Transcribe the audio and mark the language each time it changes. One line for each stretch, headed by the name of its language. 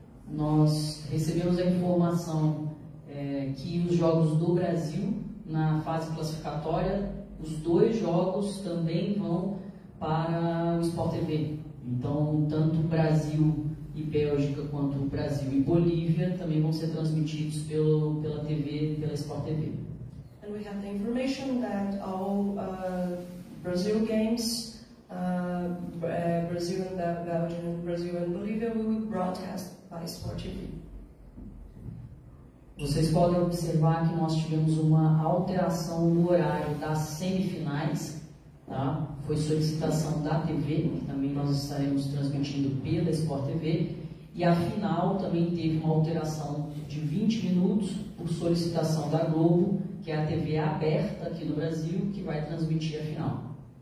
Portuguese: Nós recebemos a informação que os jogos do Brasil, na fase classificatória, os 2 jogos também vão para o Sport TV. Então, tanto o Brasil e Bélgica, quanto o Brasil e Bolívia, também vão ser transmitidos pela TV, pela Sport TV.
English: And we have the information that all Brazil games, Brazil and Belgium, Brazil and Bolivia, will be broadcast by Sport TV.
Portuguese: Vocês podem observar que nós tivemos uma alteração no horário das semifinais, tá? Foi solicitação da TV, que também nós estaremos transmitindo pela Sport TV, e a final também teve uma alteração de 20 minutos por solicitação da Globo, que é a TV aberta aqui no Brasil, que vai transmitir a final.